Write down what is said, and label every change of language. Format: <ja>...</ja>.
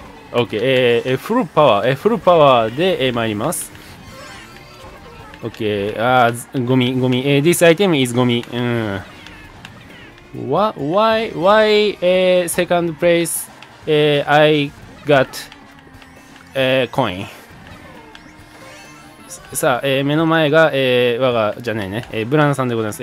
<ja>オッケー、フルパワー、フルパワーで、参ります。オッケー、あー、ゴミ、ゴミ、</ja> <en>This item is</en> <ja>ゴミ。うん。</ja> <en>Why, second place, I got, coin?</en> <ja>さあ、目の前が、我が、じゃねえね、ブランさんでございます。</ja>